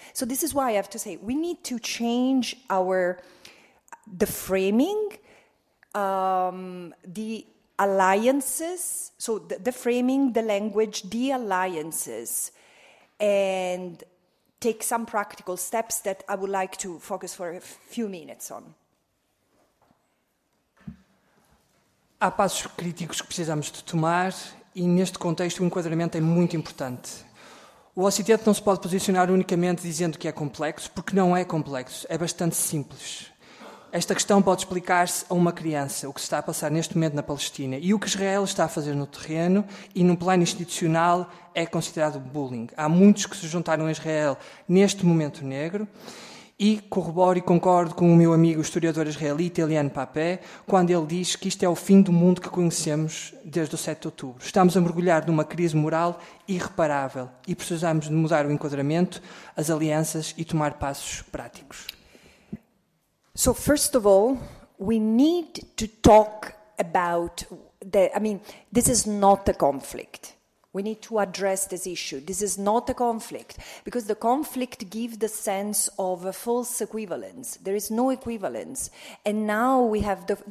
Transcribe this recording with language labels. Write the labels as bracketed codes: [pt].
[en] So this is why I have to say, we need to change the framing, the alliances, so the framing, the language, the alliances, and take some practical steps that I would like to focus for a few minutes on. [pt] Há passos críticos que precisamos de tomar, e neste contexto o enquadramento é muito importante. O Ocidente não se pode posicionar unicamente dizendo que é complexo, porque não é complexo, é bastante simples. Esta questão pode explicar-se a uma criança, o que se está a passar neste momento na Palestina. E o que Israel está a fazer no terreno e no plano institucional é considerado bullying. Há muitos que se juntaram a Israel neste momento negro e corroboro e concordo com o meu amigo historiador israelita Elian Papé quando ele diz que isto é o fim do mundo que conhecemos desde o 7 de outubro. Estamos a mergulhar numa crise moral irreparável e precisamos de mudar o enquadramento, as alianças e tomar passos práticos. [en] So first of all, we need to talk about this is not a conflict. We need to address this issue. This is not a conflict because the conflict gives the sense of a false equivalence. There is no equivalence. And now we have